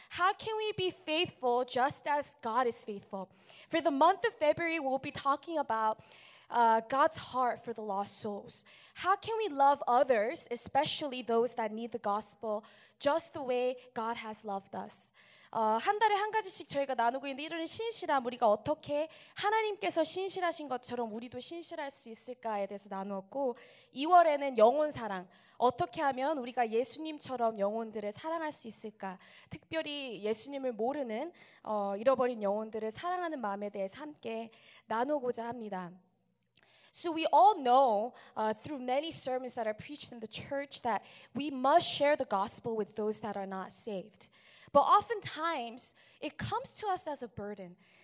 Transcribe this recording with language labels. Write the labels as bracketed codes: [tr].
[en] How can we be faithful just as God is faithful? For the month of February, we'll be talking about God's heart for the lost souls. How can we love others, especially those that need the gospel, just the way God has loved us? [ko] 한 달에 한 가지씩 저희가 나누고 있는데 이런 신실함, 우리가 어떻게 하나님께서 신실하신 것처럼 우리도 신실할 수 있을까에 대해서 나누었고, 2월에는 영혼 사랑, 어떻게 하면 우리가 예수님처럼 영혼들을 사랑할 수 있을까? 특별히 예수님을 모르는 잃어버린 영혼들을 사랑하는 마음에 대해서 함께 나누고자 합니다. [en] So we all know through many sermons that are preached in the church that we must share the gospel with those that are not saved. But oftentimes it comes to us as a burden.